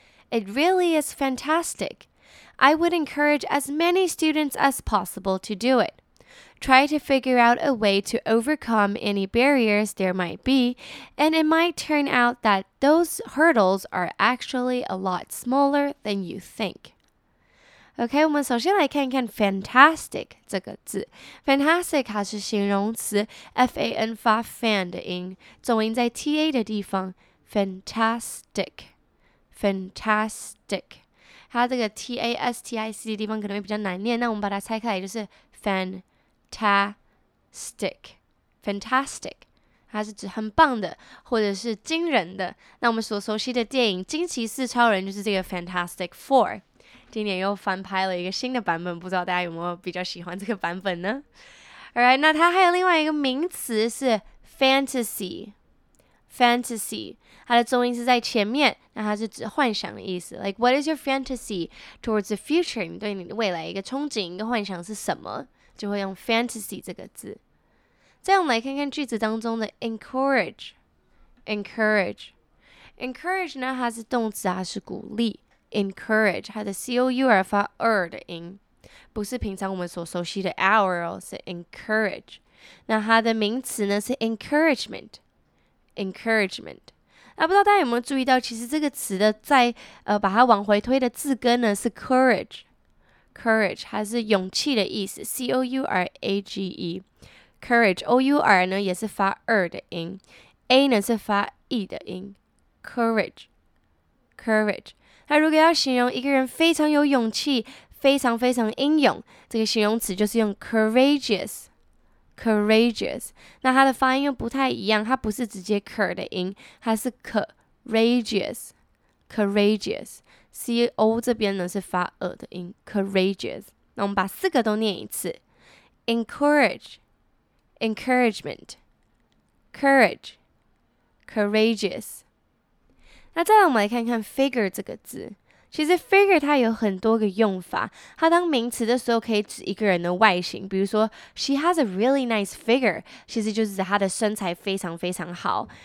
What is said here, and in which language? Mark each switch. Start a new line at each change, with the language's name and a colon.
English: It really is fantastic. I would encourage as many students as possible to do it. Try to figure out a way to overcome any barriers there might be, and it might turn out that those hurdles are actually a lot smaller than you think.
Chinese: OK, 我们首先来看看 fantastic 这个字。 Fantastic 它是形容词 ,F-A-N 发 fan 的音，重音在 T-A 的地方 ,fantastic,fantastic。它这个 T-A-S-T-I-C 的地方可能会比较难念，那我们把它拆开来就是 fantastic,fantastic。它是指很棒的或者是惊人的。那我们所熟悉的电影惊奇四超人就是这个 Fantastic Four。今年又翻拍了一个新的版本，不知道大家有没有比较喜欢这个版本呢？ Alright, 那它还有另外一个名词是 fantasy, fantasy, 它的中音是在前面，那它是指幻想的意思。
English: Like, what is your fantasy towards the future?
Chinese: 你对你的未来一个憧憬，一个幻想是什么？就会用 fantasy 这个字。再我们来看看句子当中的 encourage, encourage, encourage 呢，它是动词，它是鼓励。 Encourage, 它的 C-O-U-R 发 R 的音，不是平常我们所熟悉的 our 哦，是 encourage。那它的名词呢是 encouragement, encouragement。那不知道大家有没有注意到，其实这个词的在把它往回推的字根呢是 courage, courage, 它是勇气的意思 ，C-O-U-R-A-G-E, courage, O-U-R 呢也是发 R 的音 ，A 呢是发 E 的音 ，courage, courage。那如果要形容一个人非常有勇气，非常非常英勇，这个形容词就是用 courageous, courageous。那它的发音又不太一样，它不是直接 cur 的音，它是 courageous, courageous。 C O 这边呢是发 e 的音 ，courageous。那我们把四个都念一次 ：encourage, encouragement, courage, courageous。那再来我们来看看 figure 这个字，其实 figure 它有很多个用法，它当名词的时候可以指一个人的外形，比如说
English: she has a really nice figure，
Chinese: 其实就是指她的身材非常非常好。